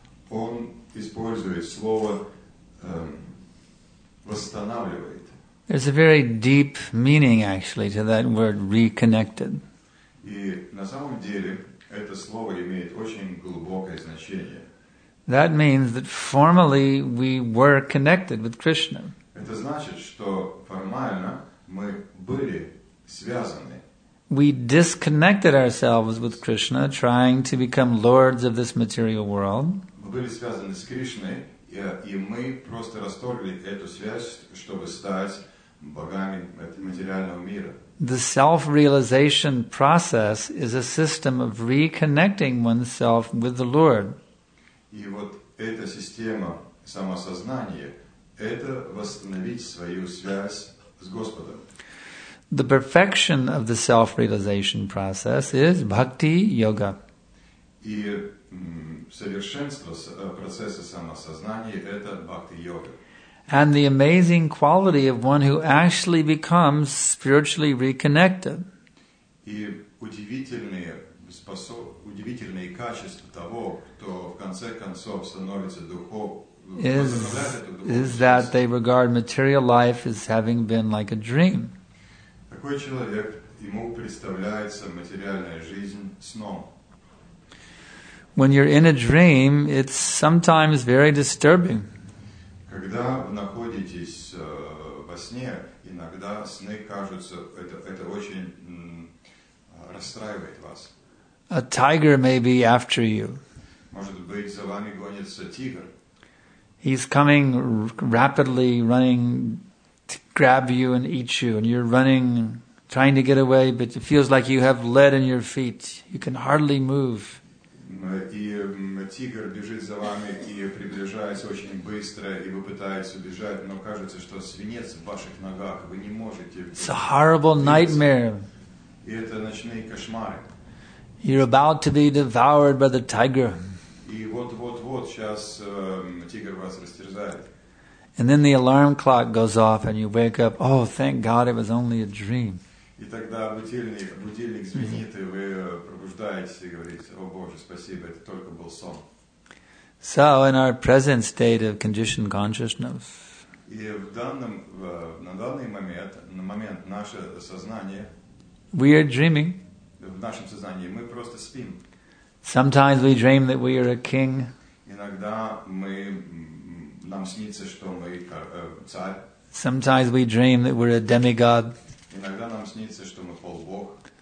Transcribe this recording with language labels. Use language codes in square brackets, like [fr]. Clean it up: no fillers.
[ru] Он использует слово восстанавливает. [en] There's a very deep meaning actually to that word reconnected. [ru] И на самом деле это слово имеет очень глубокое значение. [en] That means that formally we were connected with Krishna. [ru] Это значит, что формально мы были связаны. [en] We disconnected ourselves with Krishna, trying to become lords of this material world. [ru] Мы были связаны с Кришной, и мы просто расторгли эту связь, чтобы стать богами материального мира. [en] The self-realization process is a system of reconnecting oneself with the Lord. [ru] И вот эта система самосознания – это восстановить свою связь с Господом. [en] The perfection of the self-realization process is bhakti-yoga. [ru] И совершенство процесса самосознания – это бхакти-йога. [en] And the amazing quality of one who actually becomes spiritually reconnected. [ru] И удивительные качества того, кто в конце концов становится [en] is that they regard material life as having been like a dream. [ru] Такой человек, ему представляется материальная жизнь сном. [en] When you're in a dream, it's sometimes very disturbing. [ru] Когда вы находитесь во сне, иногда сны кажутся, это очень расстраивает вас. [en] A tiger may be after you. [ru] Может быть, за вами гонится тигр. [en] He's coming rapidly running to grab you and eat you, and you're running, trying to get away, but it feels like you have lead in your feet. You can hardly move. [ru] И тигр бежит за вами и приближается очень быстро, и вы пытаетесь убежать, но кажется, что свинец в ваших ногах, вы не можете. [en] It's a horrible nightmare. [ru] И это ночные кошмары. [en] You're about to be devoured by the tiger. [ru] И вот сейчас тигр вас растерзает. [en] And then the alarm clock goes off and you wake up, oh, thank God, it was only a dream. [ru] И тогда будильник звенит, и вы пробуждаетесь и говорите, о Боже, спасибо, это только был сон. [en] So, in our present state of conditioned consciousness, [ru] и на данный момент наше сознание, [en] we are dreaming. [ru] В нашем сознании мы просто спим. [en] Sometimes we dream that we are a king. [ru] Иногда нам снится, что мы царь. [en] Sometimes we dream that we're a demigod. [ru] Иногда нам снится, что мы полубог.